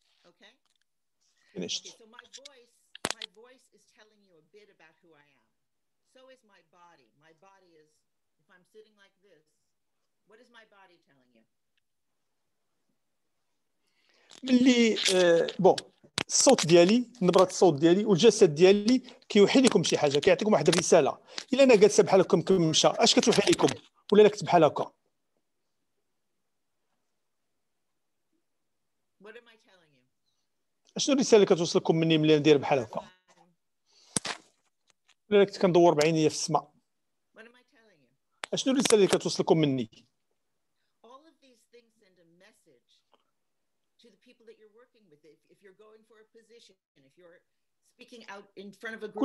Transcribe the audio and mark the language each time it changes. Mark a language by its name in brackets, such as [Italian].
[English] Okay, so my voice is telling you a bit about who I am. So is my body. My body is, if I'm sitting like this, what is my body telling you? [Arabic] ملي بون الصوت ديالي نبرة الصوت ديالي والجسد ديالي كيوحي لكم شي حاجة كيعطيكم واحد الرسالة إلا أنا جالسة بحال هكا كنمشى أش كتوحي لكم ولا أنا كنت بحال هكا شنو الرسالة اللي كتوصلكم مني ملي ندير بحال هكا ملي كنت كندور بعينيا في السماء شنو الرسالة اللي كتوصلكم مني [English] All of these things send a message to the people that you're working with if you're going for a position if you're speaking out in front of a group